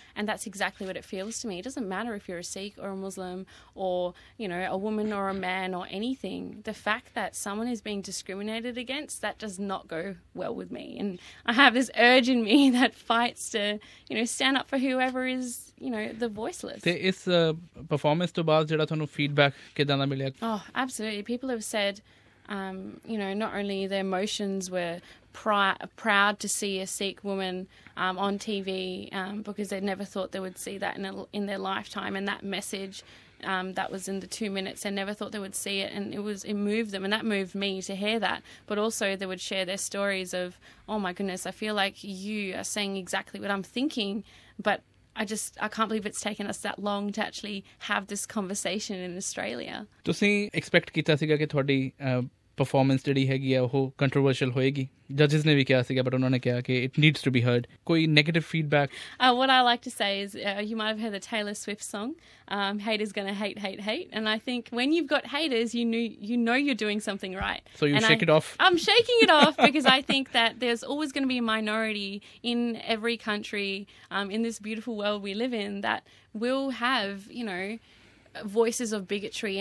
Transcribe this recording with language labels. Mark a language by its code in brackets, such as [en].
[en] And that's exactly what it feels to me. It doesn't matter if you're a Sikh or a Muslim or, you know, a woman or a man or anything. The fact that someone is being discriminated against, that does not go well with me. And I have this urge in me that fights to, you know, stand up for whoever is, you know, the voiceless. [pa] ਤੇ ਇਸ performance ਤੋਂ ਬਾਅਦ ਜਿਹੜਾ ਤੁਹਾਨੂੰ feedback ਕਿੱਦਾਂ ਦਾ ਮਿਲਿਆ [en] Oh, absolutely. People have said you know, not only their emotions were proud to see a Sikh woman on TV because they never thought they would see that in their lifetime, and that message that was in the 2 minutes, they never thought they would see it, and it moved them, and that moved me to hear that. But also they would share their stories of, oh my goodness, I feel like you are saying exactly what I'm thinking, but I can't believe it's taken us that long to actually have this conversation in Australia. [pa] ਤੁਸੀਂ expect ਕੀਤਾ ਸੀਗਾ ਕਿ ਤੁਹਾਡੀ performance ਜਿਹੜੀ ਹੈਗੀ ਆ ਉਹ controversial ਹੋਏਗੀ? ਜੱਜਸ ਨੇ ਵੀ ਕਿਹਾ ਸੀਗਾ, ਬਟ ਉਹਨਾਂ ਨੇ ਕਿਹਾ ਕਿ [en] it needs to be heard, [pa] ਕੋਈ negative feedback? [en] What I like to say is, you might have heard the Taylor Swift song, haters gonna hate, hate, hate. And I think when you've got haters, you know you're doing something right. So you and shake it off. I'm shaking it off because I think that there's always going to be a minority in every country, in this beautiful world we live in, that will have, you know, voices of bigotry.